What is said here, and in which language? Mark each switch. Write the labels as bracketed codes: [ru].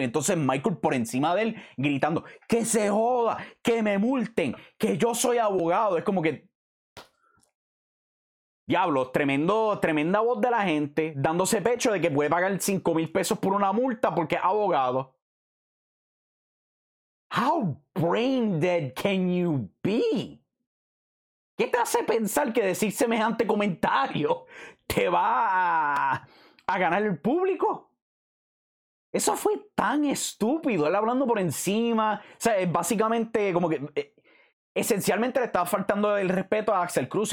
[es] Y entonces Michael por encima de él gritando, que se joda, que me multen, que yo soy abogado. Es como que, diablo, tremenda voz de la gente, dándose pecho de que puede pagar 5,000 pesos por una multa porque es abogado. [en] How brain dead can you be? [es] ¿Qué te hace pensar que decir semejante comentario te va a ganar el público? Eso fue tan estúpido. Él hablando por encima. O sea, básicamente, como que esencialmente le estaba faltando el respeto a Axel Cruz.